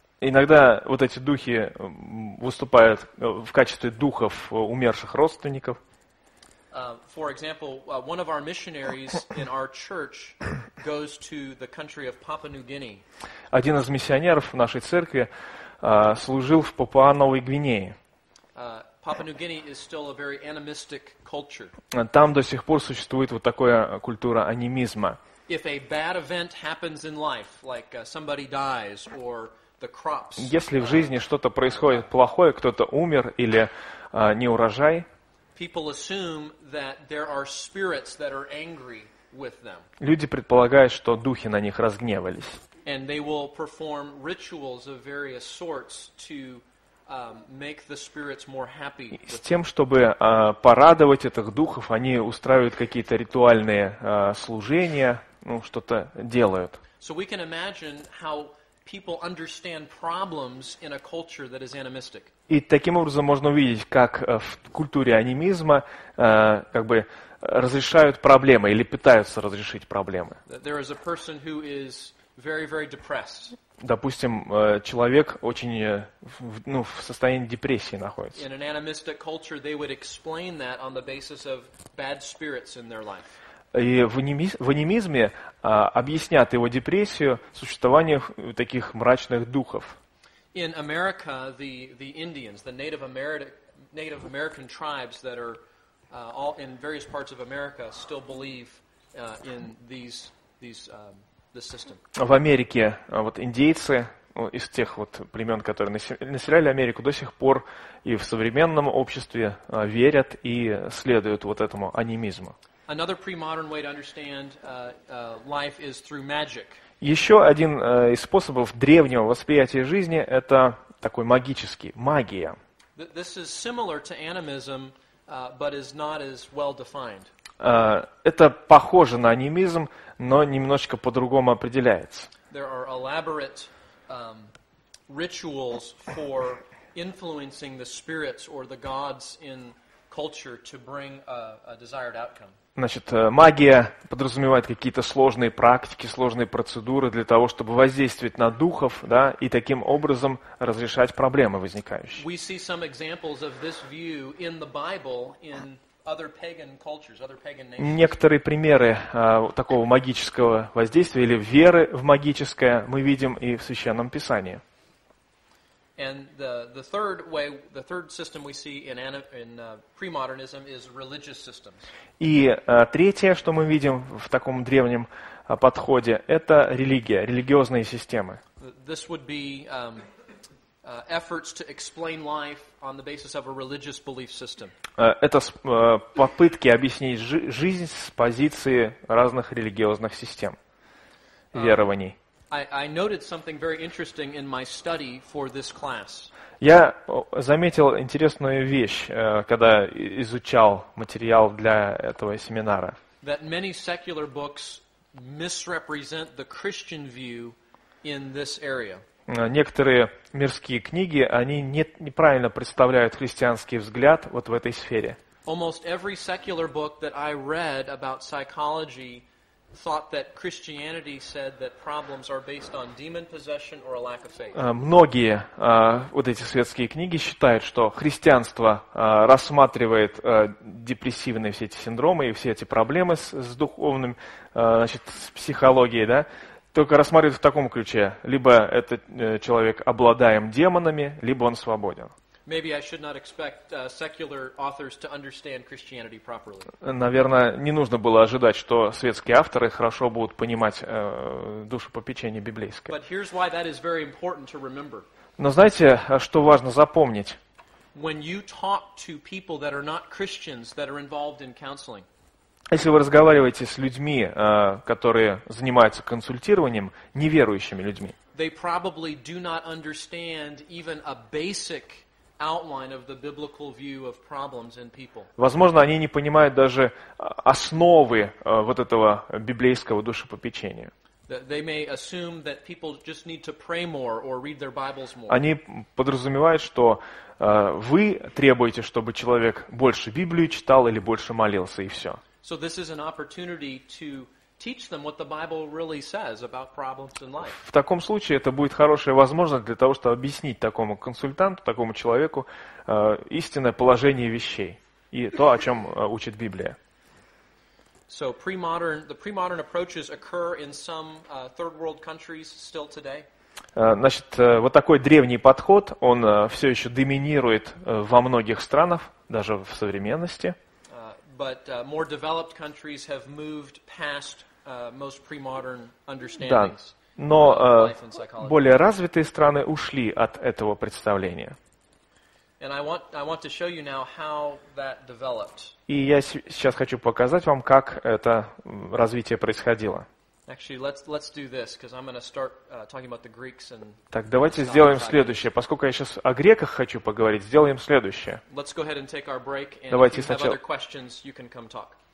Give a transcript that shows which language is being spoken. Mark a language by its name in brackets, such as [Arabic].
[Russian] Иногда вот эти духи выступают в качестве духов умерших родственников. [English] For example, one of our missionaries in our church goes to the country of Papua New Guinea. [Russian] Один из миссионеров в нашей церкви служил в Папуа-Новой Гвинее. [English] Papua New Guinea is still a very animistic culture. [Russian] Там до сих пор существует вот такая культура анимизма. [English] If a bad event happens in life, like somebody dies or the crops. [Russian] Если в жизни что-то происходит плохое, кто-то умер или не урожай. [English] People assume that there are spirits that are angry with them. [Russian] Люди предполагают, что духи на них разгневались. [English] And they will perform rituals of various sorts to make the spirits more happy. [Russian] С тем, чтобы порадовать этих духов, они устраивают какие-то ритуальные служения, ну, что-то делают. [English] So we can imagine how people understand problems in a culture that is animistic. [Russian] И таким образом можно увидеть, как в культуре анимизма как бы разрешают проблемы или пытаются разрешить проблемы. [English] There is a person who is very, very depressed. [Russian] Допустим, человек очень, ну, в состоянии депрессии находится. [English] In an animistic culture, they would explain that on the basis of bad spirits in their life. [Russian] И в анимизме объяснят его депрессию существованием таких мрачных духов. [English] In America, the Indians, the Native American tribes that are all in various parts of America still believe in this system. [Russian] В Америке вот индейцы из тех вот племен, которые населяли Америку, до сих пор и в современном обществе верят и следуют вот этому анимизму. [English] Another pre-modern way to understand life is through magic. [Russian] Еще один из способов древнего восприятия жизни – это такой магический – магия. [English] This is similar to animism, but is not as well defined. [Russian] Это похоже на анимизм, но немножечко по-другому определяется. [English] There are elaborate rituals for influencing the spirits or the gods in culture to bring a desired outcome. [Russian] Значит, магия подразумевает какие-то сложные практики, сложные процедуры для того, чтобы воздействовать на духов, да, и таким образом разрешать проблемы возникающие. [English] We see some examples of this view in the Bible in other pagan cultures, other pagan nations. [Russian] Некоторые примеры такого магического воздействия или веры в магическое мы видим и в Священном Писании. [English] And the third system we see in premodernism is religious systems. [Russian] И третье, что мы видим в таком древнем подходе, это религия, религиозные системы. [English] This would be efforts to explain life on the basis of a religious belief system. [Russian] Это попытки объяснить жизнь с позиции разных религиозных систем, верований. [English] I noted something very interesting in my study for this class. [Russian] Я заметил интересную вещь, когда изучал материал для этого семинара. [English] That many secular books misrepresent the Christian view in this area. [Russian] Некоторые мирские книги, они неправильно представляют христианский взгляд вот в этой сфере. [English] Almost every secular book that I read about psychology thought that Christianity said that problems are based on demon possession or a lack of faith. [Russian] Многие вот эти светские книги считают, что христианство рассматривает депрессивные все эти синдромы и все эти проблемы с духовным, значит, с психологией, да, только рассматривает в таком ключе: либо этот человек обладаем демонами, либо он свободен. [English] Maybe I should not expect secular authors to understand Christianity properly. [Russian] Наверное, не нужно было ожидать, что светские авторы хорошо будут понимать душепопечение библейское. [English] But here's why that is very important to remember. [Russian] Но знаете, что важно запомнить? [English] When you talk to people that are not Christians that are involved in counseling. [Russian] Если вы разговариваете с людьми, которые занимаются консультированием, неверующими людьми. [English] They probably do not understand even a basic outline of the biblical view of problems in people. [Russian] Возможно, они не понимают даже основы вот этого библейского душепопечения. [English] They may assume that people just need to pray more or read their Bibles more. [Russian] Они подразумевают, что вы требуете, чтобы человек больше Библию читал или больше молился, и все. [English] So this is an opportunity to teach them what the Bible really says about problems in life. [Russian] В таком случае это будет хорошая возможность для того, чтобы объяснить такому консультанту, такому человеку истинное положение вещей. и то, о чем учит Библия. [English] So pre-modern approaches occur in some third world countries still today. [Russian] Значит, вот такой древний подход, он все еще доминирует во многих странах, даже в современности. [English] But more developed countries have moved past most pre-modern understandings. [Russian] Да, но более развитые страны ушли от этого представления. [English] And I want to show you now how that developed. [Russian] И я сейчас хочу показать вам, как это развитие происходило. [English] Actually, let's do this, because I'm going to start talking about the Greeks and. [Russian] Так, давайте сделаем следующее. Поскольку я сейчас о греках хочу поговорить, сделаем следующее. [English] Let's go ahead and take our break. [Russian] Давайте сначала. [English] Other questions, you can come talk.